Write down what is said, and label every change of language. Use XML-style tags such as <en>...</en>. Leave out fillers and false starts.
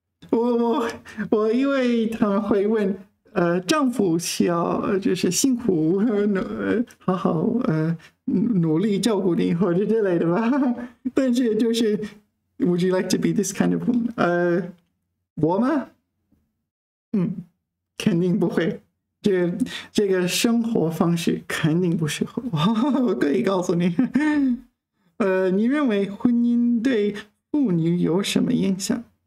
<zh>我因为他们会问丈夫需要就是辛苦好好努力照顾你或者之类的吧，但是就是。</zh> <en>Would you like to be this kind of woman?</en> <zh>我吗？肯定不会。这个生活方式肯定不适合我。我可以告诉你。你认为婚姻对妇女有什么影响？</zh>